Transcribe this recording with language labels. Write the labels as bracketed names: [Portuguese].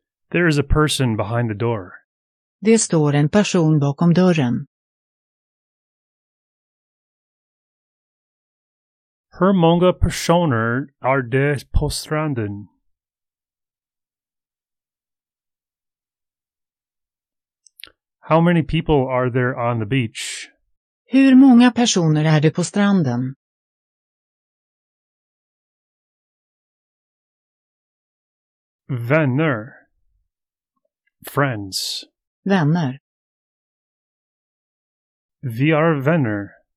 [English] There is a person behind the door. [Swedish] Det står en person bakom dörren. Hur många personer är det på stranden? [English] How many people are there on the beach? [Swedish] Hur många personer är det på stranden? Vänner. [English] Friends. [Swedish] Vänner. Vi är vänner.